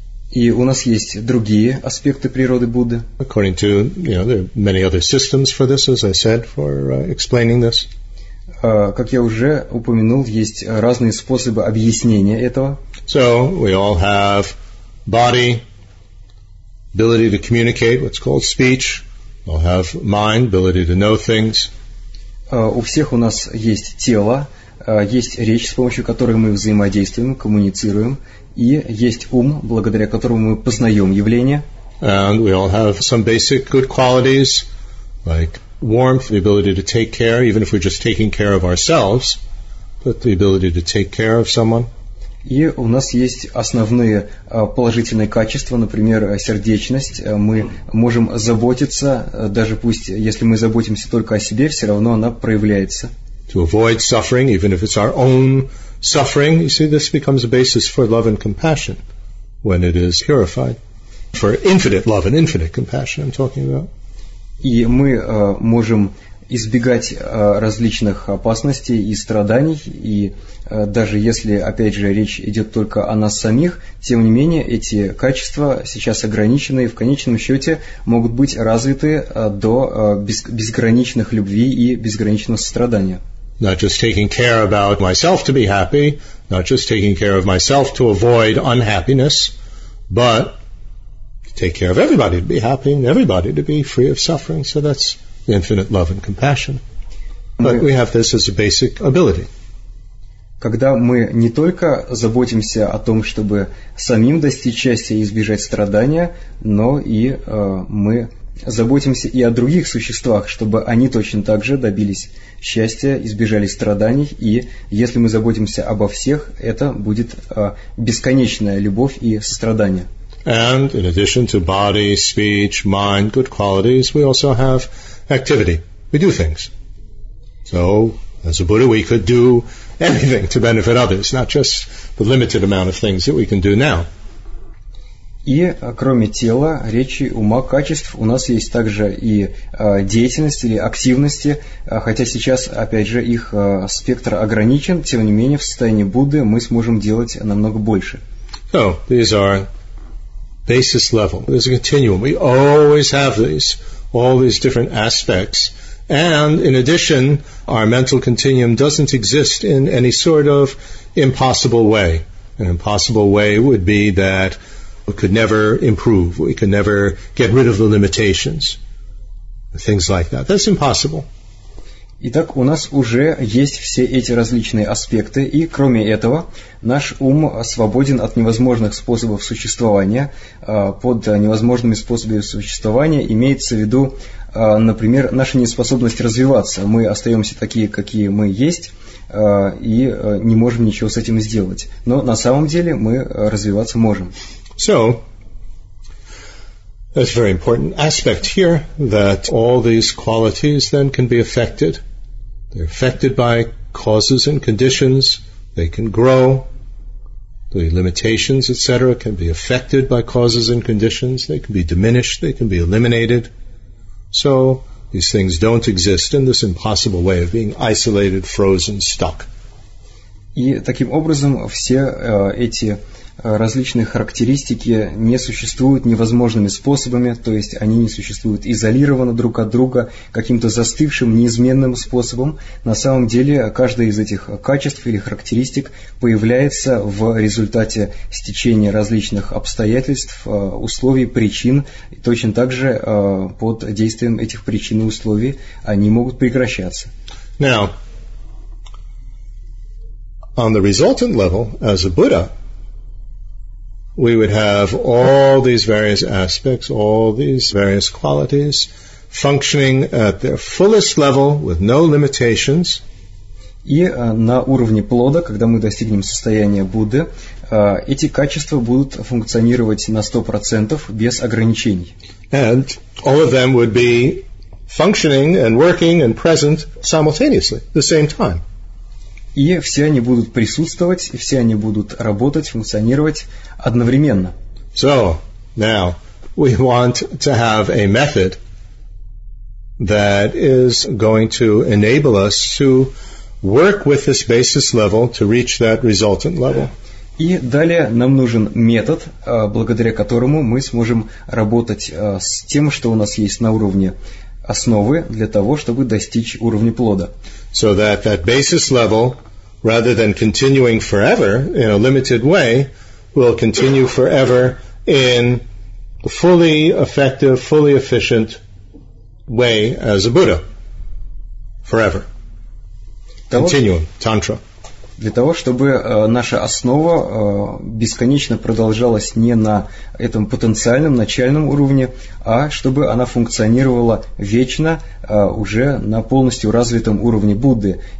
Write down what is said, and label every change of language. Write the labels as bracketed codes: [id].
[ru] И у нас есть другие аспекты природы Будды. [en] According to, you know, there are many other systems for this, as I said, for explaining this. [ru] Как я уже упомянул, есть разные способы объяснения этого. [en] So, we all have body, ability to communicate, what's called speech. We all have mind, ability to know things. [ru] У всех у нас есть тело, есть речь, с помощью которой мы взаимодействуем, коммуницируем. И есть ум, благодаря которому мы познаем явления. [en] And we all have some basic good qualities, like warmth, the ability to take care, even if we're just taking care of ourselves, but the ability to take care of someone. [ru] И у нас есть основные положительные качества, например, сердечность. Мы можем заботиться, даже пусть, если мы заботимся только о себе, все равно она проявляется. [en] To avoid suffering, even if it's our own suffering, you see, this becomes a basis for love and compassion when it is purified. For infinite love and infinite compassion, I'm talking about. [ru] И мы можем избегать различных опасностей и страданий, и даже если, опять же, речь идет только о нас самих, тем не менее, эти качества сейчас ограничены и в конечном счете могут быть развиты до безграничных любви и безграничного сострадания. [en] Not just taking care about myself to be happy, not just taking care of myself to avoid unhappiness, but take care of everybody to be happy and everybody to be free of suffering. So that's infinite love and compassion. But we have this as a basic ability. [ru] Когда мы не только заботимся о том, чтобы самим достичь счастья и избежать страдания, но и мы заботимся и о других существах, чтобы они точно так же добились счастья, избежали страданий, и если мы заботимся обо всех, это будет бесконечная любовь и сострадание. [en] And in addition to body, speech, mind, good qualities, we also have activity. We do things. So, as a Buddha, we could do anything to benefit others, not just the limited amount of things that we can do now. [ru] И кроме тела, речи, ума, качеств, у нас есть также и деятельность или активности, хотя сейчас, опять же, их спектр ограничен, тем не менее, в состоянии Будды мы сможем делать намного больше. [en] So, these are basis level. There's a continuum. We always have these, all these different aspects. And, in addition, our mental continuum doesn't exist in any sort of impossible way. An impossible way would be that we could never improve. We could never get rid of the limitations. Things like that. That's impossible. [ru] Итак, у нас уже есть все эти различные аспекты, и кроме этого, наш ум свободен от невозможных способов существования. Под невозможными способами существования имеется в виду, например, наша неспособность развиваться. Мы остаемся такие, какие мы есть, и не можем ничего с этим сделать. Но на самом деле мы развиваться можем. [en] So, that's a very important aspect here, that all these qualities then can be affected. They're affected by causes and conditions. They can grow. the limitations, etc., can be affected by causes and conditions. They can be diminished. They can be eliminated. So these things don't exist in this impossible way of being isolated, frozen, stuck. [ru] И таким образом все эти различные характеристики не существуют невозможными способами, то есть они не существуют изолированно друг от друга каким-то застывшим, неизменным способом. На самом деле каждое из этих качеств или характеристик появляется в результате стечения различных обстоятельств, условий, причин. И точно так же под действием этих причин и условий они могут прекращаться. [en] Now, on the resultant level, as a Buddha, we would have all these various aspects, all these various qualities, functioning at their fullest level with no limitations. [ru] И на уровне плода, когда мы достигнем состояния Будды, эти качества будут функционировать на 100% без ограничений. [en] And all of them would be functioning and working and present simultaneously, the same time. [ru] И все они будут присутствовать, и все они будут работать, функционировать одновременно. [en] So, now, we want to have a method that is going to enable us to work with this basis level to reach that resultant level. [ru] И далее нам нужен метод, благодаря которому мы сможем работать с тем, что у нас есть на уровне основы, для того, чтобы достичь уровня плода. [en] So that that basis level, rather than continuing forever in a limited way, will continue forever in a fully effective, fully efficient way as a Buddha. Forever. Continuum, Tantra. [ru] Для того, чтобы наша основа бесконечно продолжалась не на этом потенциальном, начальном уровне, а чтобы она функционировала вечно, уже на полностью развитом уровне Будды.